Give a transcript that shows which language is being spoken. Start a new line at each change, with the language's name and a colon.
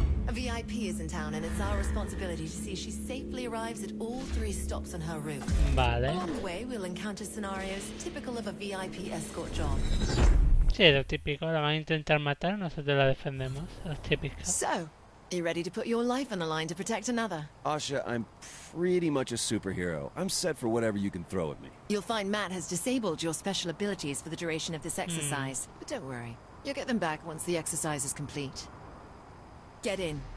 English: VIP is in town and it's our responsibility to see she safely arrives at all three stops on her route.
Spanish: Vale.
English: Along the way we'll encounter scenarios typical of a VIP escort job.
Spanish: Sí, lo típico, la van a intentar matar, nosotros la defendemos, lo típico.
English: So, You ready to put your life on the line to protect another? Asha, I'm pretty much a superhero. I'm set for whatever you can throw at me. You'll find Matt has disabled your special abilities for the duration of this exercise. But don't worry. You'll get them back once the exercise is complete. Get in.